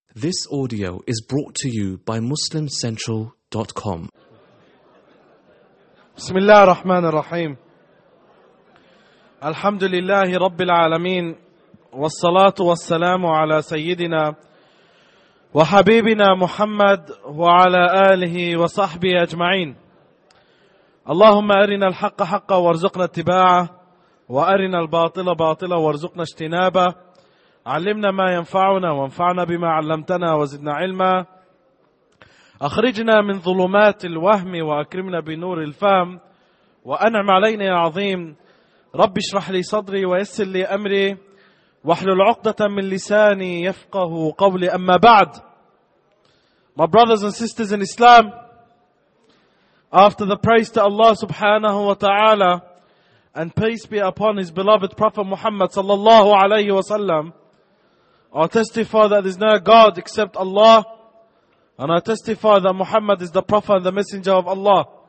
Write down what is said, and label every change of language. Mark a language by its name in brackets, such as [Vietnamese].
[English] This audio is brought to you by MuslimCentral.com. [Arabic] بسم الله الرحمن الرحيم. الحمد لله رب العالمين والصلاة والسلام على سيدنا وحبيبنا محمد وعلى آله وصحبه أجمعين. اللهم أرنا الحق حقا وارزقنا اتباعه وأرنا الباطل باطلا وارزقنا اجتنابه. علمنا ما ينفعنا وانفعنا بما علمتنا وزدنا علما. أخرجنا من ظلمات الوهم وأكرمنا بنور الفهم وأنعم علينا يا عظيم. رب اشرح لي صدري ويسر لي أمري واحلل عقدة من لساني يفقه قولي. أما بعد, [English] my brothers and sisters in Islam, after the praise to Allah subhanahu wa ta'ala and peace be upon his beloved Prophet Muhammad sallallahu alayhi wa sallam, I testify that there is no God except Allah, and I testify that Muhammad is the Prophet and the Messenger of Allah.